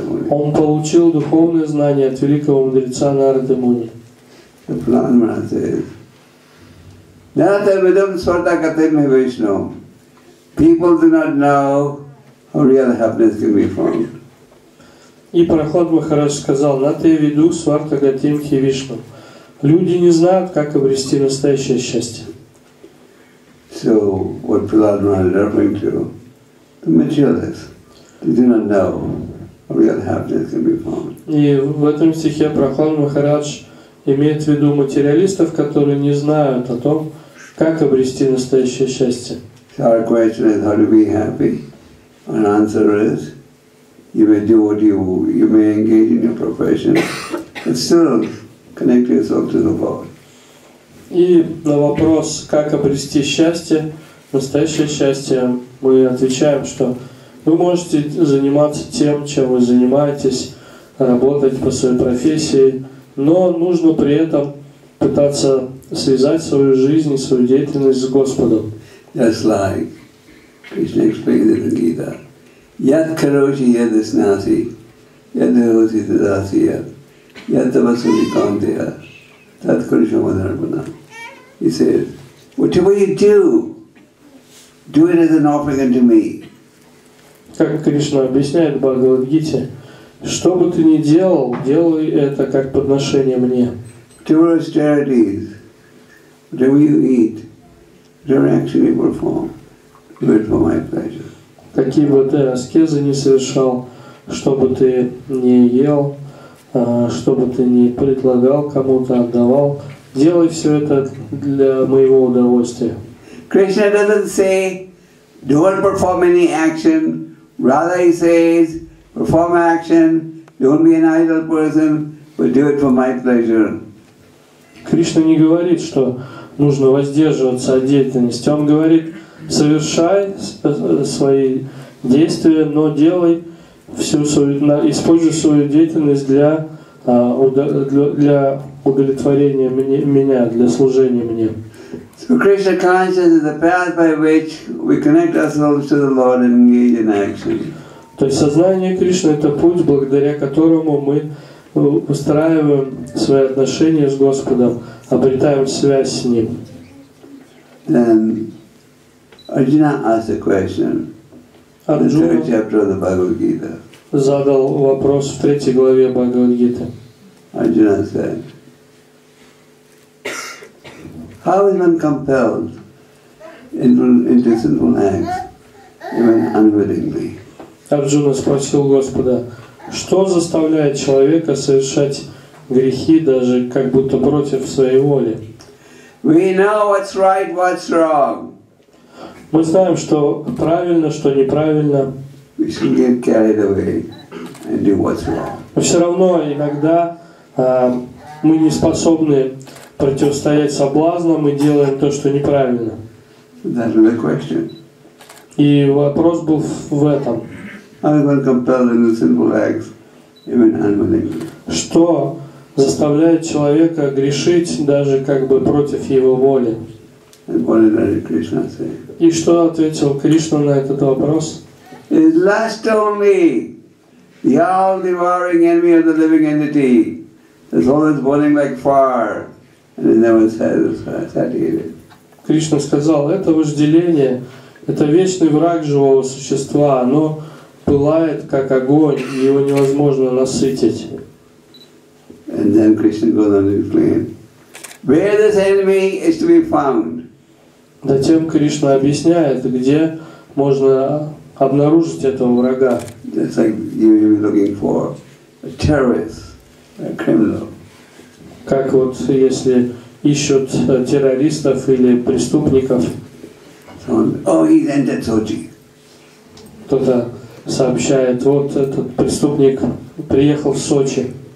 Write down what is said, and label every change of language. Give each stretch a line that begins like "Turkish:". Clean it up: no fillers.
Russian: Он получил духовное знание от великого мудреца Нарада Муни.
Sanskrit: Нарада Видам Свартакатеми Вишну.
English: People do not know how real happiness can be found.
Russian: И Прахлад Махарадж сказал,
Sanskrit: Нарада Видам Свартакатеми Вишну.
Russian: Люди не знают, как обрести настоящее счастье.
English: So, what Прахлад Махарадж is referring to, the materialists. They do not know how real happiness can be found.
Russian: И в этом стихе Прахлад Махарадж имеет в виду материалистов, которые не знают о том, как обрести настоящее счастье.
English: So our question is how to be happy. Our answer is you may do what you may engage in your profession, but still connect yourself to the Lord.
Russian: И на вопрос, как обрести счастье, настоящее счастье, мы отвечаем, что вы можете заниматься тем, чем вы занимаетесь, работать по своей профессии, но нужно при этом пытаться связать свою жизнь, свою деятельность с Господом.
English: Just like Krishna explained in the Gita.
Sanskrit: Yad karoti yad asnasi, yad devoti tadasi yad, yad tavasuni kanteya, tad Krishna madharmana.
English: He said, whatever you do, do it as an offering unto me.
Russian: Как Кришна объясняет в Бхагавад-гите, что бы ты ни делал, делай это как подношение мне.
English: Whatever austerities, whatever you eat, whatever action you perform, do it for my pleasure.
Russian: Какие бы ты аскезы ни совершал, что бы ты ни ел, что бы ты ни предлагал кому-то, отдавал, делай все это для моего удовольствия.
English: Krishna doesn't say, don't perform any action. Rather, he says, perform action, don't be an idle person, but do it for my pleasure.
Russian: Кришна не говорит, что нужно воздерживаться от деятельности. Он говорит, совершай свои действия, но делай всю свою, используй свою деятельность для удовлетворения меня, для служения мне.
English: So Krishna consciousness is the path by which we connect ourselves to the Lord and engage in action.
Russian: То есть сознание Кришны – это путь, благодаря которому мы устраиваем свои отношения с Господом, обретаем связь с Ним.
English: Then Arjuna asked a question in the third chapter of the Bhagavad Gita.
Russian: Задал вопрос в третьей главе Бхагавад-гиты.
English: Arjuna said, how is one compelled into sinful acts even unwillingly?
Russian: Арджуна спросил Господа, что заставляет человека совершать грехи даже как будто против своей воли?
English: We know what's right, what's wrong.
Russian: Мы знаем, что правильно, что неправильно.
English: We can get carried away and do what's wrong.
Russian: Но все равно иногда мы не способны противостоять соблазнам и делаем то, что неправильно.
English: That's another question.
Russian: И вопрос был в этом.
English: How is one compelled into sinful acts, even unwillingly?
Russian: Что заставляет человека грешить даже как бы против его воли?
English: And what did Hare Krishna say?
Russian: И что ответил Кришна на этот вопрос?
English: Is lust only the all-devouring enemy of the living entity? It's always burning like fire, and it never satisfies.
Russian: Кришна сказал: это вожделение, это вечный враг живого существа, оно пылает как огонь, его невозможно насытить.
English: And then Krishna goes on to explain, where this enemy is to be found.
Russian: Затем Кришна объясняет, где можно обнаружить этого врага.
English: It's like you are looking for a terrorist, a criminal.
Russian: Как вот если ищут террористов или преступников.
English: Oh, he's entered Sochi.
Russian: Кто-то сообщает, вот этот преступник приехал в Сочи.